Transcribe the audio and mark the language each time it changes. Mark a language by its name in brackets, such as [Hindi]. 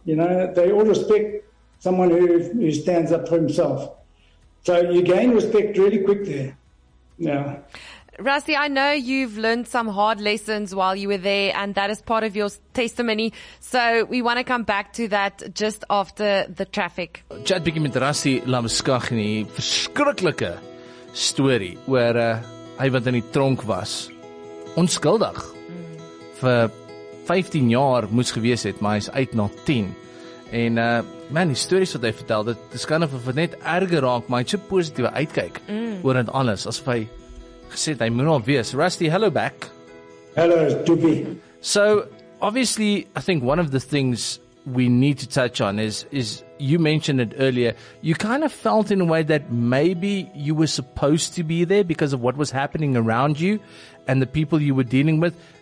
[English] You know, they all respect someone who stands up for himself. So you gain respect really quick there. Yeah. Rusty, I know you've learned some hard lessons while you were there, and that is part of your testimony. So we want to come back to that just after the traffic. [Afrikaans] Chat bietjie met Rusty Lamskagni, verskriklike story waar hy wat in die tronk was, onskuldig, vir 15 jaar moes gewees het, maar hy is uit na 10. En man, die stories wat hy vertel, dit is [English] kind of [Afrikaans] wat net erger raak, maar hy het so positieve uitkyk oor het alles, asof hy gesê het, hy moet al wees. [English] Rusty, hello back. Hello, Toby. So, obviously, I think one of the things we need to touch on is you mentioned it earlier, you kind of felt in a way that maybe you were supposed to be there because of what was happening around you and the people you were dealing with.